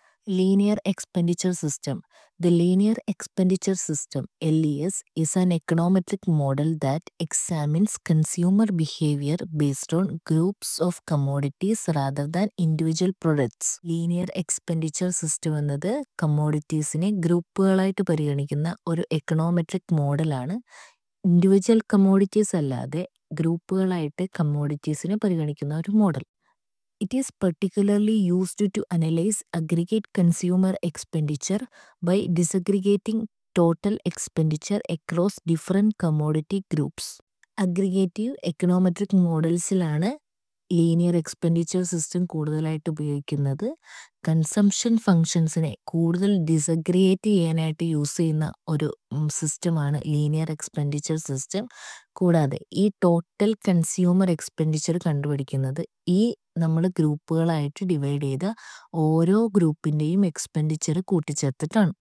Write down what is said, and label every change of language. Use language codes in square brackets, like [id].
[en] Linear expenditure system. The linear expenditure system LES is an econometric model that examines consumer behaviour based on groups of commodities rather than individual products. [ml] Linear expenditure system എന്നത് കമോഡിറ്റീസിനെ ഗ്രൂപ്പുകളായിട്ട് പരിഗണിക്കുന്ന ഒരു econometric മോഡലാണ്. Individual commodities അല്ലാതെ ഗ്രൂപ്പുകളായിട്ട് കമോഡിറ്റീസിനെ പരിഗണിക്കുന്ന ഒരു model. [en] It is particularly used to analyze aggregate consumer expenditure by disaggregating total expenditure across different commodity groups. Aggregative econometric models [ml] ലാണ് linear expenditure system കൂടുതലായിട്ട് ഉപയോഗിക്കുന്നത്. കൺസംപ്ഷൻ ഫംഗ്ഷൻസിനെ കൂടുതൽ ഡിസഗ്രിയേറ്റ് ചെയ്യാനായിട്ട് യൂസ് ചെയ്യുന്ന ഒരു സിസ്റ്റമാണ് ലീനിയർ എക്സ്പെൻഡിച്ചർ സിസ്റ്റം. കൂടാതെ ഈ ടോട്ടൽ കൺസ്യൂമർ എക്സ്പെൻഡിച്ചർ കണ്ടുപിടിക്കുന്നത് ഈ നമ്മൾ ഗ്രൂപ്പുകളായിട്ട് ഡിവൈഡ് ചെയ്ത ഓരോ ഗ്രൂപ്പിൻ്റെയും എക്സ്പെൻഡിച്ചർ കൂട്ടിച്ചേർത്തിട്ടാണ്.